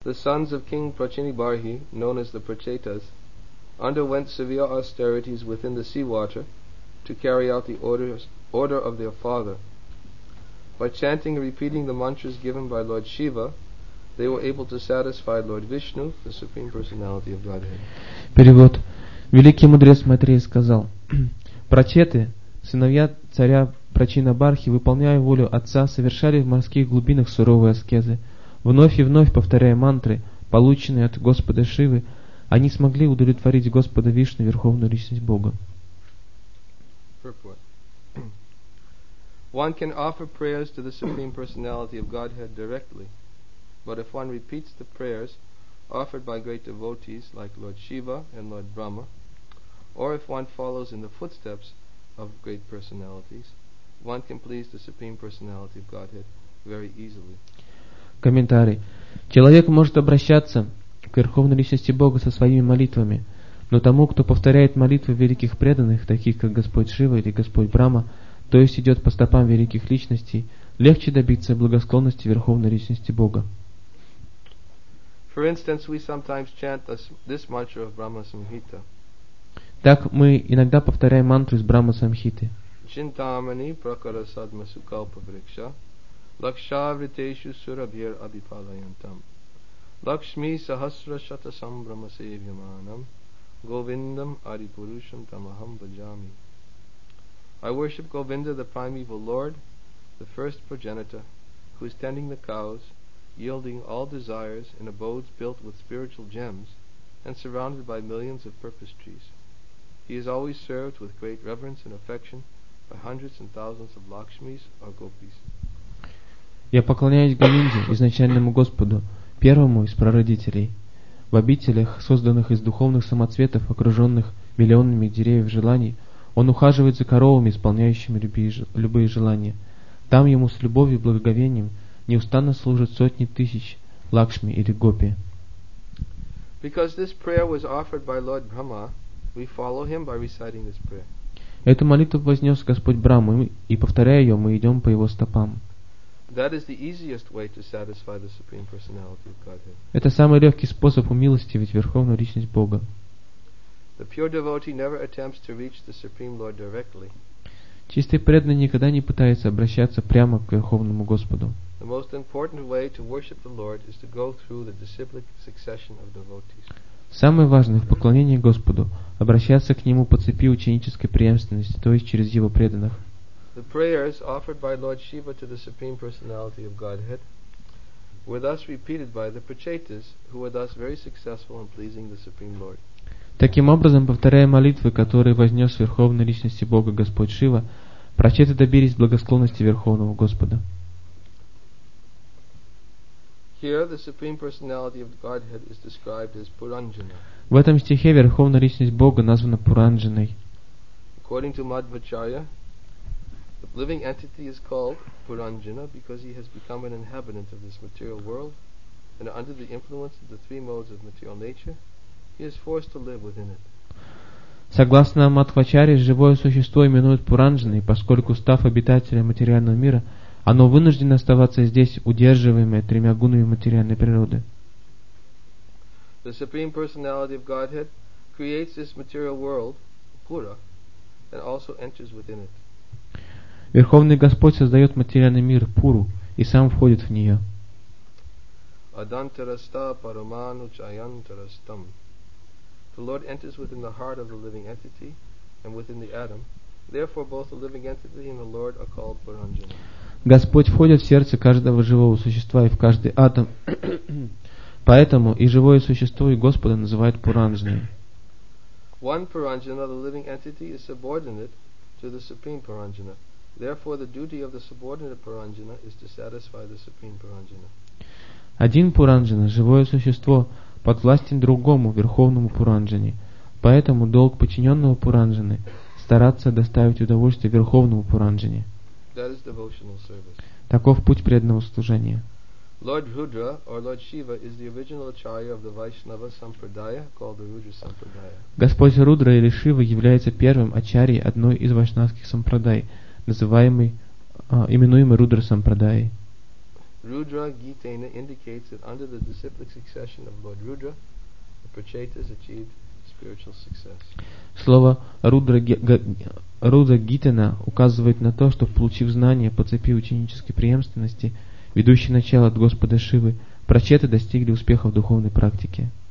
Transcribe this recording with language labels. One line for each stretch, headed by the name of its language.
English: The sons of King Prachinibarhi, known as the Prachetas, underwent severe austerities within the sea water to carry out the order of their father. By chanting and repeating the mantras given by Lord Shiva, they were able to satisfy Lord Vishnu, the Supreme Personality of Godhead.
Russian: Перевод. Великий мудрец Майтрея сказал: Прачеты, сыновья царя Прачинабархи, выполняя волю отца, совершали в морских глубинах суровые аскезы. Вновь и вновь повторяя мантры, полученные от Господа Шивы, они смогли удовлетворить Господа Вишну, Верховную Личность Бога.
English: One can offer prayers to the Supreme Personality of Godhead directly, but if one repeats the prayers offered by great devotees like Lord Shiva and Lord Brahma, or if one follows in the footsteps of great personalities, one can please the Supreme Personality of Godhead very easily.
Russian: Комментарий. Человек может обращаться к Верховной Личности Бога со своими молитвами, но тому, кто повторяет молитвы великих преданных, таких как Господь Шива или Господь Брама, то есть идет по стопам великих личностей, легче добиться благосклонности Верховной Личности Бога.
English: For instance, we sometimes chant this mantra of Brahma Samhita.
Russian: Так мы иногда повторяем мантру из Брахма Самхиты.
Sanskrit: Чинтамани пракара садма сукалпа врикша лакшавритешу сурабхир абипалаянтам лакшми сахасра шата самбрама севьяманам говиндам арипурушам тамахам баджами.
English: I worship Govinda, the primeval Lord, the first progenitor, who is tending the cows, yielding all desires in abodes built with spiritual gems and surrounded by millions of purpose trees. He is always served with great reverence and affection by hundreds and thousands of Lakshmis or Gopis.
Russian: Я поклоняюсь Говинде, изначальному Господу, первому из прародителей, в обителях, созданных из духовных самоцветов, окруженных миллионами деревьев желаний. Он ухаживает за коровами, исполняющими любые желания. Там ему с любовью и благоговением неустанно служат сотни тысяч Лакшми или Гопи.
English: Because this prayer was offered by Lord Brahma, we follow him by reciting this prayer.
Russian: Эту молитву вознес Господь Брахма, и повторяя ее, мы идем по его стопам.
English: That is the easiest way to satisfy the Supreme Personality of Godhead.
Russian: Это самый легкий способ умилостивить Верховную Личность Бога.
English: The pure devotee never attempts to reach the Supreme Lord directly.
Russian: Чистый преданный никогда не пытается обращаться прямо к Верховному Господу.
English: The most important way to worship the Lord is to go through the disciplic succession of devotees.
Russian: Самое важное в поклонении Господу – обращаться к Нему по цепи ученической преемственности, то есть через Его преданных.
English: The prayers offered by Lord Shiva to the Supreme Personality of Godhead were thus repeated by the Prachetas, who were thus very successful in pleasing the Supreme Lord.
Russian: Таким образом, повторяя молитвы, которые вознес Верховной Личности Бога Господь Шива, Прачеты добились благосклонности Верховного Господа.
English: Here the Supreme Personality of Godhead is described as Puranjana.
Russian: В этом стихе Верховная Личность Бога названа Пуранджаной.
English: According to Madhvacharya, the living entity is called Puranjana because he has become an inhabitant of this material world, and under the influence of the three modes of material nature, he is forced to live within it.
Russian: Согласно Мадхвачарье, живое существо именуют Пуранджаной, поскольку, став обитателем материального мира, оно вынуждено оставаться здесь, удерживаемое тремя гунами материальной природы.
English: The Supreme Personality of Godhead creates this material world, Pura, and also enters within it.
Russian: Верховный Господь создает материальный мир, Пуру, и сам входит в нее.
Sanskrit: Адантараста параману чаянтарастам.
English: The Lord enters within the heart of the living entity and within the atom. Therefore, both the living entity and the Lord are called Puranjana.
Russian: Господь входит в сердце каждого живого существа и в каждый атом. Поэтому и живое существо, и Господа называют Пуранджаной.
English: One Puranjana, the living entity, is subordinate to the Supreme Puranjana. Therefore, the duty of the subordinate Puranjana is to satisfy the Supreme Puranjana.
Russian: Один Пуранджана, живое существо, подвластен другому, Верховному Пуранджане. Поэтому долг подчиненного Пуранджаны – стараться доставить удовольствие Верховному Пуранджане.
English: That is devotional service.
Russian: Таков путь преданного служения.
English: Lord Rudra or Lord Shiva is the original acharya of the Vaishnava Sampradaya called the Rudra Sampradaya.
Russian: Господь Рудра или Шива является первым ачарьей одной из вайшнавских сампрадай, именуемой Рудра Сампрадай.
English: Rudra Gitena indicates that under the disciplic succession of Lord Rudra, the Prachetas achieved spiritual success.
Russian: Слово Рудра Гитена указывает на то, что получив знание по цепи ученической преемственности, ведущей начало от Господа Шивы, Прачеты достигли успеха в духовной практике.